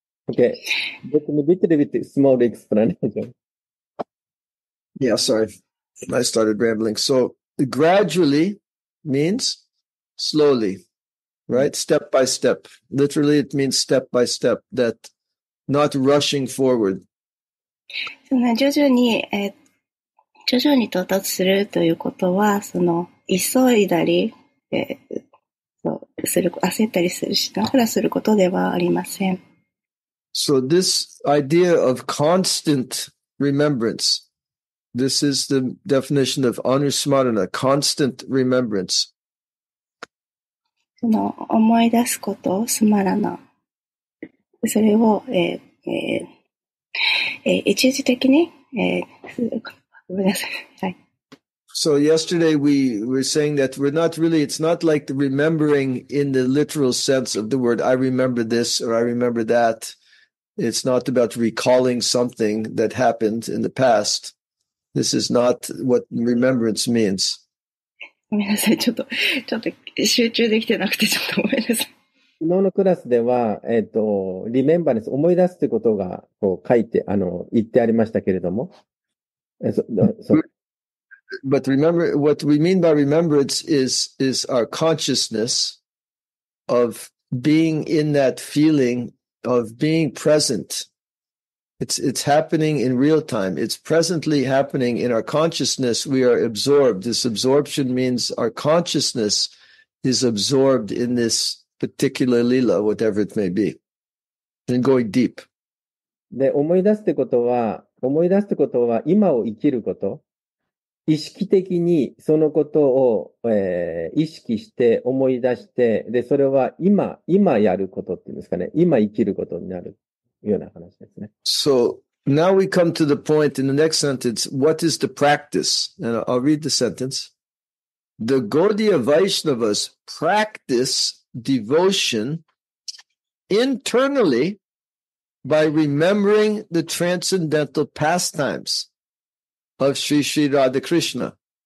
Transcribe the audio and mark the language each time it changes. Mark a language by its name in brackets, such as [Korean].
[English] Okay. Just a little bit small explanation. Yeah, sorry. I started rambling. So gradually means slowly, right? Step by step. Literally, it means step by step, that not rushing forward. [Japanese] その徐々に到達するということは、その急いだり、そうする焦ったりするしながらすることではありません。 [English] So this idea of constant remembrance, this is the definition of anusmarana, constant remembrance. [Japanese] その思い出すこと、スマラナ、それを、一時的に、ごめんなさい。はい。 [English] So yesterday we were saying that we're not really, it's not like the remembering in the literal sense of the word, I remember this or I remember that. It's not about recalling something that happened in the past. This is not what remembrance means. [Japanese] ごめんなさい。ちょっと集中できてなくてちょっとごめんなさい。昨日のクラスでは、リメンバーです。思い出すということが、こう書いて、言ってありましたけれども。 [English] But remember, what we mean by remembrance is our consciousness of being in that feeling of being present. It's happening in real time. It's presently happening in our consciousness. We are absorbed. This absorption means our consciousness is absorbed in this particular lila, whatever it may be, and going deep. [Japanese] で、思い出すってことは、思い出すってことは、今を生きること。意識的にそのことを、意識して思い出して、で、それは今やることっていうんですかね。今生きることになるような話ですね。 [English] So, now we come to the point in the next sentence, what is the practice? And I'll read the sentence. The Gaudiya Vaishnavas practice devotion internally by remembering the transcendental pastimes of Sri Sri Radha Krishna.